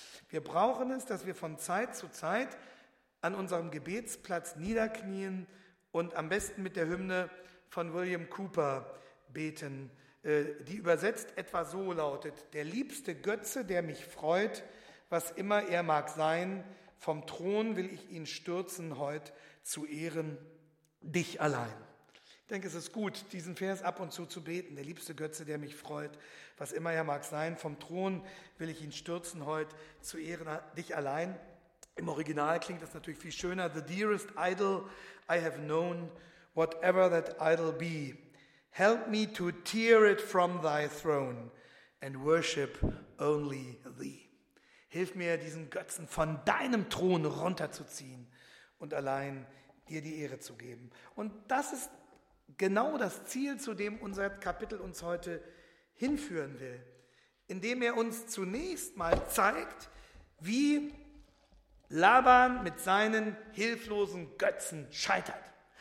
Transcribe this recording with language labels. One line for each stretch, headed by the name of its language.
German: Wir brauchen es, dass wir von Zeit zu Zeit an unserem Gebetsplatz niederknien und am besten mit der Hymne von William Cooper beten, die übersetzt etwa so lautet, der liebste Götze, der mich freut, was immer er mag sein, vom Thron will ich ihn stürzen heut zu Ehren, dich allein. Ich denke, es ist gut, diesen Vers ab und zu beten. Der liebste Götze, der mich freut, was immer er mag sein, vom Thron will ich ihn stürzen heute, zu Ehren dich allein. Im Original klingt das natürlich viel schöner.
English: The dearest idol I have known, whatever that idol be, help me to tear it from thy throne and worship only thee.
German: Hilf mir, diesen Götzen von deinem Thron runterzuziehen und allein dir die Ehre zu geben. Und das ist genau das Ziel, zu dem unser Kapitel uns heute hinführen will, indem er uns zunächst mal zeigt, wie Laban mit seinen hilflosen Götzen scheitert.